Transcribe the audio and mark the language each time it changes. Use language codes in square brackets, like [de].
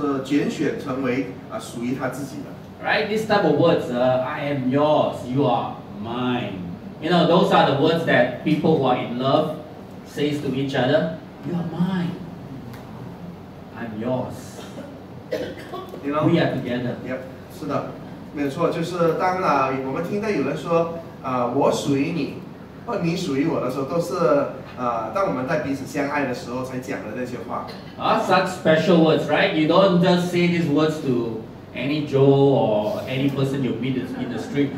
[zh] 在这边呢，你会得到一个认知，就是耶稣呢，他把我们呢，就是拣选成为属于他自己的。 [en] Right, this type of words, I am yours, you are mine. You know, those are the words that people who are in love says to each other, you are mine, I'm yours. You know, we are together. [zh] Yep, 是的，没错，就是当我们听到有人说我属于你，或你属于我的时候，都是当我们在彼此相爱的时候才讲的那些话。 [en] Such special words, right? You don't just say these words to any Joe or any person you meet in the street.